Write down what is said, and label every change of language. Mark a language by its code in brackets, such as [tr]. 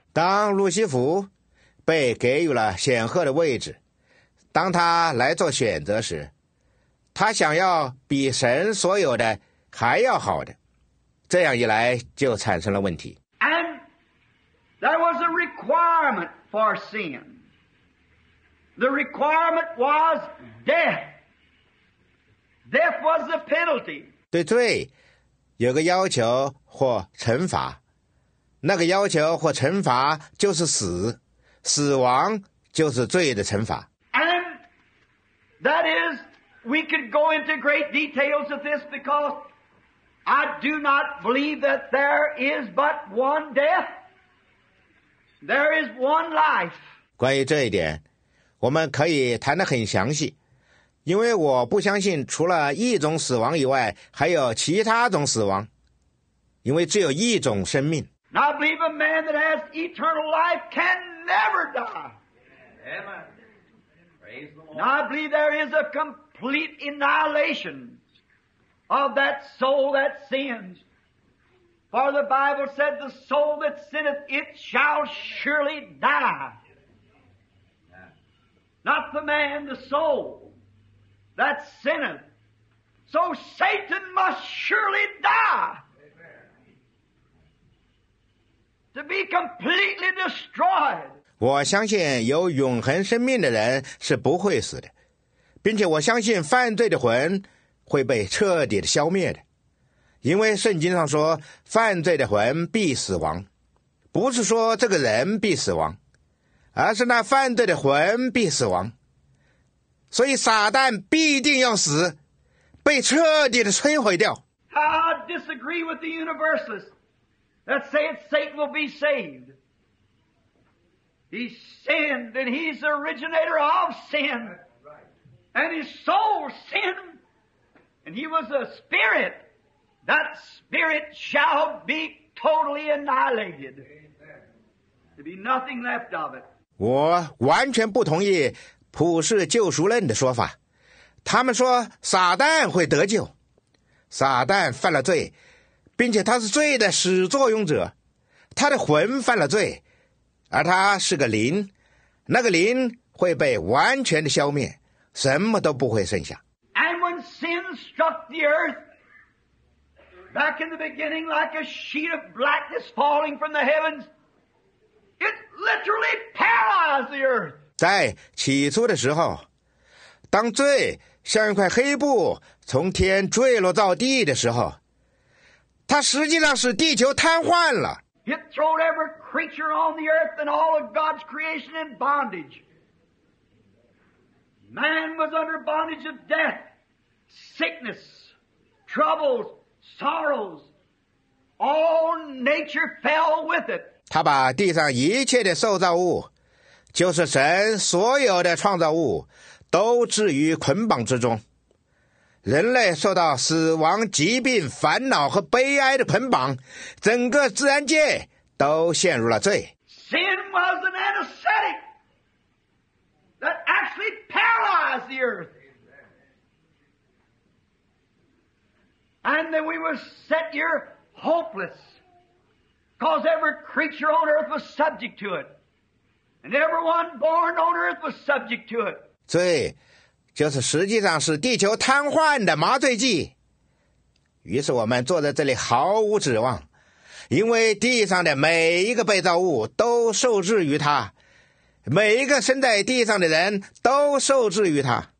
[zh] 当路西弗被给予了显赫的位置，当他来做选择时，他想要比神所有的还要好的，这样一来就产生了问题。 [en] And there was a requirement for sin. The requirement was death. Death was the penalty. [zh] 对罪有个要求或惩罚，那个要求或惩罚就是死，死亡就是罪的惩罚。 [en] And that is, we could go into great details of this because I do not believe that there is but one death. There is one life. [zh] 关于这一点，我们可以谈得很详细，因为我不相信除了一种死亡以外，还有其他种死亡，因为只有一种生命。 [en] I believe a man that has eternal life can never die. Amen. Praise the Lord. And I believe there is a complete annihilation of that soul that sins. For the Bible said, the soul that sinneth, it shall surely die. Not the man, the soul that sinneth. So Satan must surely die. To be completely destroyed. [zh] 我相信有永恒生命的人是不会死的，并且我相信犯罪的魂会被彻底的消灭的，因为圣经上说犯罪的魂必死亡，不是说这个人必死亡，而是那犯罪的魂必死亡，所以撒旦必定要死，被彻底的摧毁掉。 [en] I disagree with the universalists. That saith Satan will be saved. He sinned, and he's the originator of sin. And his soul sinned, and he was a spirit. That spirit shall be totally annihilated. There'll be nothing left of it. [zh] 我完全不同意普世救赎论的说法。他们说撒旦会得救。撒旦犯了罪，并且他是罪的始作俑者，他的魂犯了罪，而他是个灵，那个灵会被完全的消灭，什么都不会剩下。 [en] And when sin struck the earth, back in the beginning, like a sheet of blackness falling from the heavens, it literally paralyzed the earth. [zh] 在起初的时候，当罪像一块黑布从天坠落到地的时候，它实际上使地球瘫痪了。 [en] It throwed every creature on the earth and all of God's creation in bondage. Man was under bondage of death, sickness, troubles, sorrows. All nature fell with it. [zh] 它把地上一切的受造物，就是神所有的创造物，都置于捆绑之中。人类受到死亡、疾病、烦恼和悲哀的捆绑，整个自然界都陷入了罪。 [en] Sin was an anesthetic that actually paralyzed the earth. And then we were set here hopeless, because every creature on earth was subject to it. And everyone born on earth was subject to it. [zh] 罪就是实际上是地球瘫痪的麻醉剂，于是我们坐在这里毫无指望，因为地上的每一个被造物都受制于它，每一个生在地上的人都受制于它。